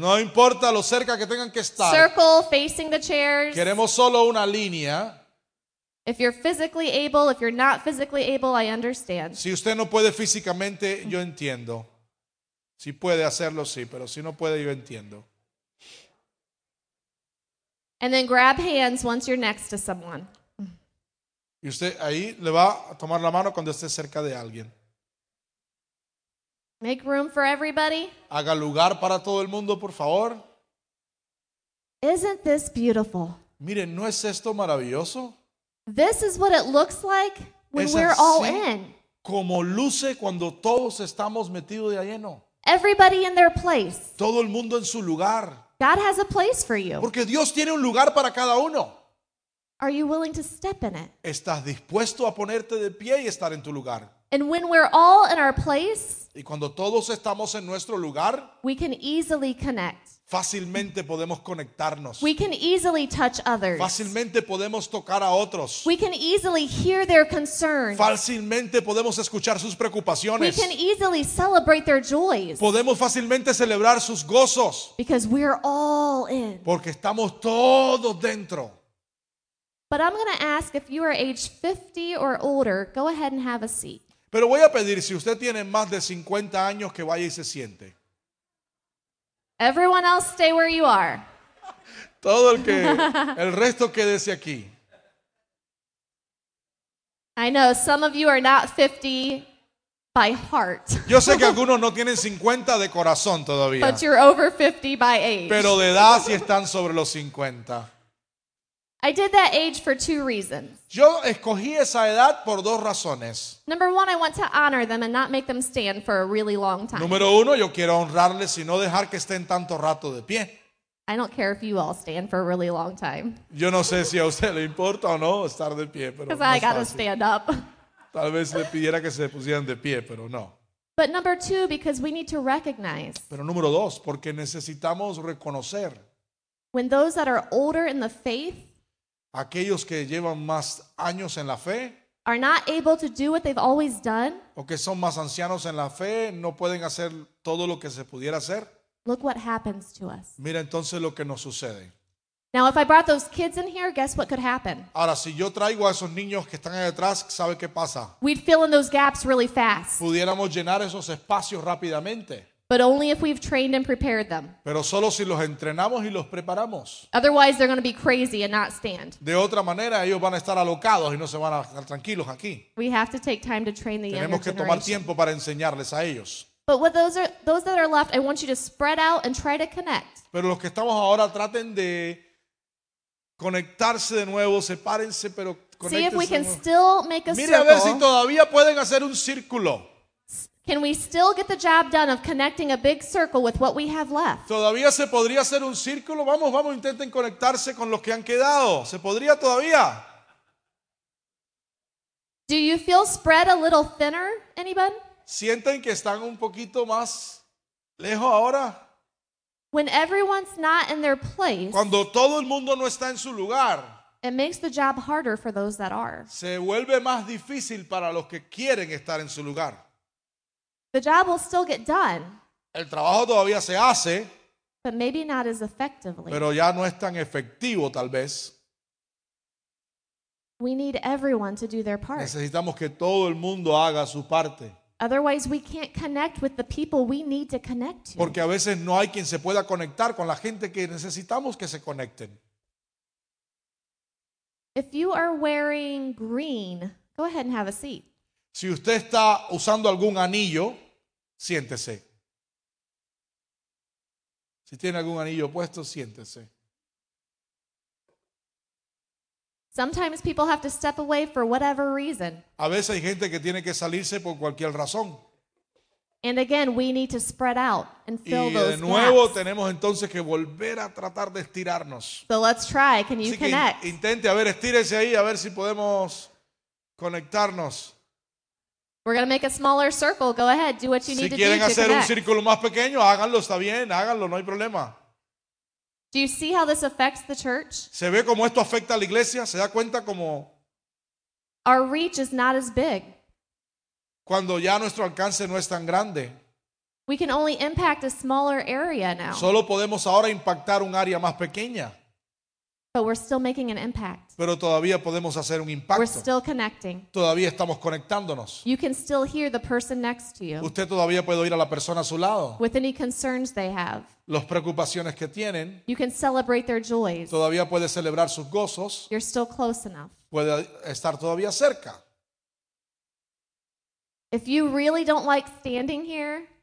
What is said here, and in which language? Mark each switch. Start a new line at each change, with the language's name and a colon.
Spanish: No importa lo cerca que tengan que estar.
English: Circle facing the chairs.
Spanish: Queremos solo una línea.
English: If you're physically able, if you're not physically able, I understand.
Spanish: Si usted no puede físicamente, yo entiendo. Si puede hacerlo, sí, pero si no puede, yo entiendo.
English: And then grab hands once you're next to someone.
Spanish: Y usted ahí le va a tomar la mano cuando esté cerca de alguien.
English: Make room for everybody.
Spanish: Haga lugar para todo el mundo, por favor.
English: Isn't this beautiful?
Spanish: Mire, ¿no es esto maravilloso?
English: This is what it looks like when we're all in.
Spanish: Como luce cuando todos estamos metidos de lleno.
English: Everybody in their place.
Spanish: Todo el mundo en su lugar.
English: God has a place for you.
Spanish: Porque Dios tiene un lugar para cada uno.
English: Are you willing to step in it?
Spanish: ¿Estás dispuesto a ponerte de pie y estar en tu lugar?
English: And when we're all in our place,
Spanish: y cuando todos estamos en nuestro lugar,
English: we can easily connect.
Spanish: Fácilmente podemos conectarnos.
English: We can easily touch others.
Spanish: Fácilmente podemos tocar a otros.
English: We can easily hear their concerns.
Spanish: Fácilmente podemos escuchar sus preocupaciones.
English: We can easily celebrate their joys.
Spanish: Podemos fácilmente celebrar sus gozos.
English: Because we're all in.
Spanish: Porque estamos todos dentro.
English: But I'm going to ask if you are age 50 or older, go ahead and have a seat.
Spanish: Pero voy a pedir, si usted tiene más de 50 años, que vaya y se siente.
English: Everyone else, stay where you are.
Spanish: Todo el que, el resto quédese aquí.
English: I know, some of you are not 50 by heart.
Spanish: Yo sé que algunos no tienen 50 de corazón todavía.
English: But you're over 50 by age.
Spanish: Pero de edad sí están sobre los 50.
English: I did that age for two reasons.
Spanish: Yo escogí esa edad por dos razones.
English: Number one, I want to honor them and not make them stand for a really long time.
Spanish: Número uno, yo quiero honrarles y no dejar que estén tanto rato de pie.
English: I don't care if you all stand for a really long time.
Spanish: Yo no sé si a usted le importa o no estar de pie, pero
English: because I gotta stand up.
Spanish: Tal vez le pidiera que se pusieran de pie, pero no.
English: But number two, because we need to recognize.
Spanish: Pero número dos, porque necesitamos reconocer.
English: When those that are older in the faith.
Spanish: Aquellos que llevan más años en la fe,
English: are not able to do what they've always done,
Spanish: o que son más ancianos en la fe, no pueden hacer todo lo que se pudiera hacer.
English: Look what happens to us.
Spanish: Mira entonces lo que nos sucede.
English: Now, if I brought those kids in here, guess what could happen?
Spanish: Ahora, si yo traigo a esos niños que están ahí atrás, ¿sabe qué pasa?
English: We'd fill in those gaps really fast.
Spanish: Pudiéramos llenar esos espacios rápidamente.
English: But only if we've trained and prepared them.
Spanish: Pero solo si los entrenamos y los preparamos.
English: Otherwise, they're going to be crazy and not stand.
Spanish: De otra manera, ellos van a estar alocados y no se van a estar tranquilos aquí.
English: We have to take time to train the younger generation.
Spanish: Tenemos que tomar tiempo para enseñarles a ellos.
English: But with those that are left, I want you to spread out and try to connect.
Spanish: Pero los que estamos ahora, traten de conectarse de nuevo, sepárense, pero conéctense.
English: See if we can still make a
Spanish: mire, Mire a ver si todavía pueden hacer un círculo.
English: Can we still get the job done of connecting a big circle with what we have left?
Spanish: ¿Todavía se podría hacer un círculo? Vamos, vamos, intenten conectarse con los que han quedado. ¿Se podría todavía?
English: Do you feel spread a little thinner, anybody?
Spanish: ¿Sienten que están un poquito más lejos ahora?
English: When everyone's not in their place,
Spanish: cuando todo el mundo no está en su lugar,
English: it makes the job harder for those that are.
Spanish: Se vuelve más difícil para los que quieren estar en su lugar.
English: The job will still get done.
Spanish: El trabajo todavía se hace.
English: But maybe not as effectively.
Spanish: Pero ya no es tan efectivo, tal vez.
English: We need everyone to do their part.
Spanish: Necesitamos que todo el mundo haga su parte.
English: Otherwise, we can't connect with the people we need to connect to.
Spanish: Porque a veces no hay quien se pueda conectar con la gente que necesitamos que se conecten.
English: If you are wearing green, go ahead and have a seat.
Spanish: Si usted está usando algún anillo, siéntese. Si tiene algún anillo puesto, siéntese.
English: Sometimes people have to step away for whatever reason.
Spanish: A veces hay gente que tiene que salirse por cualquier razón.
English: And again, we need to spread out and fill those gaps.
Spanish: Y de nuevo tenemos entonces que volver a tratar de estirarnos.
English: So let's try. Can you connect?
Spanish: Así que intente, a ver, estírese ahí, a ver si podemos conectarnos.
English: We're going to make a smaller circle. Go ahead, do what you need to do.
Spanish: Si quieren hacer
English: to connect.
Spanish: Un círculo más pequeño, háganlo, está bien, háganlo, no hay problema.
English: Do you see how this affects the church?
Spanish: ¿Se ve cómo esto afecta a la iglesia? ¿Se da cuenta cómo?
English: Our reach is not as big.
Spanish: Cuando ya nuestro alcance no es tan grande.
English: We can only impact a smaller area now.
Spanish: Solo podemos ahora impactar un área más pequeña.
English: But we're still making an impact.
Spanish: Pero todavía podemos hacer un impacto.
English: We're still connecting.
Spanish: Todavía estamos conectándonos.
English: You can still hear the person next to you.
Spanish: Usted todavía puede oír a la persona a su lado.
English: With any concerns they have.
Spanish: Las preocupaciones que tienen.
English: You can celebrate their joys.
Spanish: Todavía puede celebrar sus gozos.
English: You're still close enough.
Spanish: Puede estar todavía cerca.
English: If you really don't like standing here,